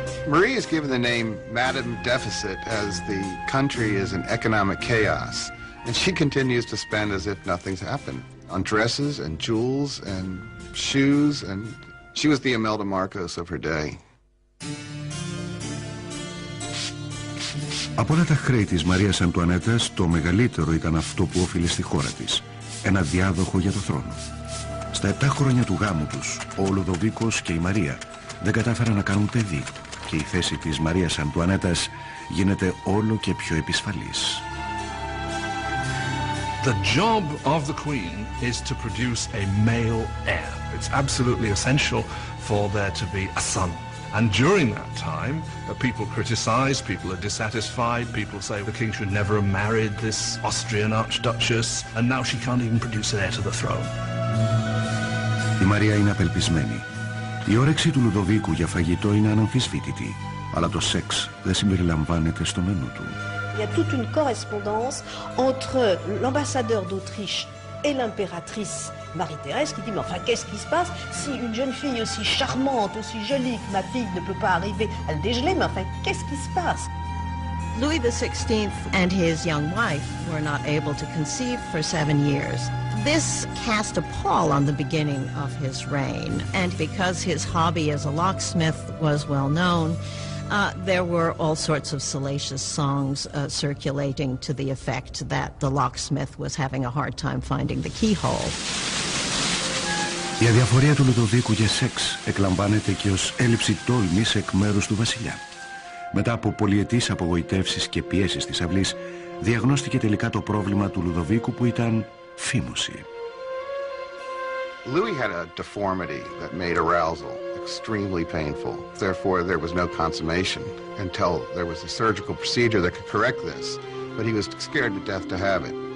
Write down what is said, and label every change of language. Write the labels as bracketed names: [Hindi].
[English] Marie is given the name Madame Deficit as the country is in economic chaos, and she continues to spend as if nothing's happened on dresses and jewels and shoes, and she was the Imelda Marcos of her day. [Greek] Από όλα τα χρέη της Μαρίας Αντουανέτας, το μεγαλύτερο ήταν αυτό που όφιλε στη χώρα της, ένα διάδοχο για το θρόνο. Στα 7 χρόνια του γάμου τους, ο Λουδοβίκος και η Μαρία δεν κατάφεραν να κάνουν παιδί και η θέση της Μαρίας Αντουανέτας γίνεται όλο και πιο επισφαλής. [English] The job of the queen is to produce a male heir. It's absolutely essential for there to be a son. And during that time, people criticize, people are dissatisfied, people say the king should never have married this Austrian archduchess, and now she can't even produce an heir to the throne. [Greek] Η Μαρία είναι απελπισμένη. Η όρεξη του Λουδοβίκου για φαγητό είναι αναμφισβήτητη, αλλά το σεξ δεν συμπεριλαμβάνεται στο μενού του. [French] Il y a toute une correspondance entre l'ambassadeur d'Autriche et l'impératrice Marie-Thérèse qui dit, mais enfin, qu'est-ce qui se passe si une jeune fille aussi charmante, aussi jolie que ma fille ne peut pas arriver à le dégeler, mais enfin, qu'est-ce qui se passe? [English] Louis XVI and his young wife were not able to conceive for 7 years. This cast a pall on the beginning of his reign, and because his hobby as a locksmith was well known, there were all sorts of salacious songs circulating to the effect that the locksmith was having a hard time finding the keyhole. [Greek] Η αδιαφορία του Λουδοβίκου για σεξ εκλαμβάνεται και ως έλλειψη τόλμης εκ μέρους του βασιλιά. Μετά από πολυετής απογοητεύσεις και πιέσεις της αυλής, διαγνώστηκε τελικά το πρόβλημα του Λουδοβίκου που ήταν φίμωση. [English] Louis had a deformity that made arousal extremely painful. Therefore, there was no consummation until there was a surgical procedure that could correct this. But he was scared to death to have it.